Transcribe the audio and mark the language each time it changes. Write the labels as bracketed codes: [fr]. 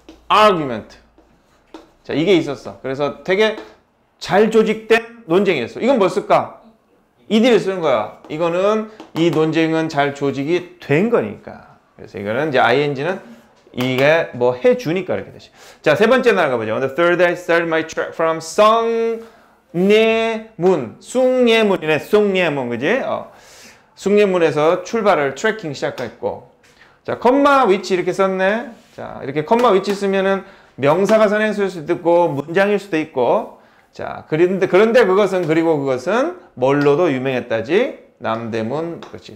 [en] argument. [ko] 자, 이게 있었어. 그래서 되게 잘 조직된 논쟁이었어. 이건 뭐 쓸까? ED를 쓰는 거야. 이거는 이 논쟁은 잘 조직이 된 거니까. 그래서 이거는 이제 ING는 이게 뭐 해주니까 이렇게 되지. 자, 세 번째 날가보죠. [en] On the third day I started my trek from 숭례문. [ko] 숭례문이네. 숭례문. 그지? 숭례문에서 출발을 트래킹 시작했고. 자, 콤마 위치 이렇게 썼네. 자, 이렇게 콤마 위치 쓰면은 명사가 선행수일 수도 있고, 문장일 수도 있고. 자, 그런데 그것은, 그리고 그것은 뭘로도 유명했다지? 남대문. 그렇지.